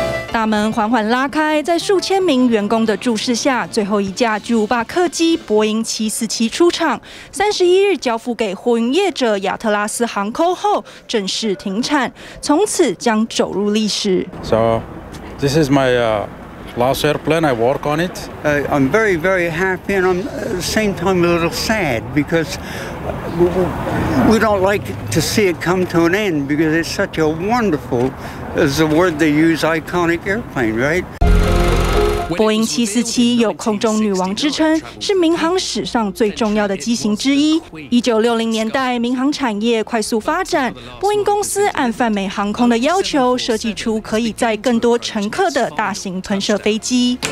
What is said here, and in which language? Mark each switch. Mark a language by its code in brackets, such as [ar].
[zh] 大门缓缓拉开，在数千名员工的注视下，最后一架G58客机波音747出厂，31日交付给货运业者亚特拉斯航空后正式停产，从此将走入历史。 [en] So this is my last airplane, I work on it. I'm very, very happy, and I'm at the same time a little sad because we don't like to see it come to an end because it's such a wonderful, is the word they use, iconic airplane, right? [zh] 波音747有空中女王之称，是民航史上最重要的机型之一。 1960年代民航产业快速发展，波音公司按泛美航空的要求设计出可以载更多乘客的大型喷射飞机。